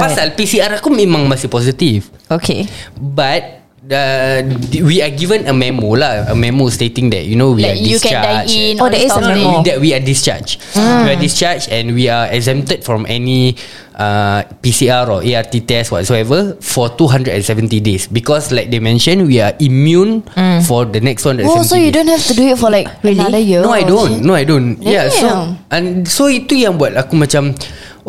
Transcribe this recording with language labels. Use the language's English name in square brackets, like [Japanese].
[Malay] Pasal PCR aku memang masih positif. [English] Okay. But we are given a memo lah, a memo stating that, you know, we are discharged. You can die in. Oh, there is a memo that we are discharged. We are discharged and we are exempted from any PCR or ART test whatsoever for 270 days, because like they mentioned, we are immune for the next 170 days. So you don't have to do it for like really? Another year. No, I don't. Yeah. [Malay] So itu yang buat aku macam, okay,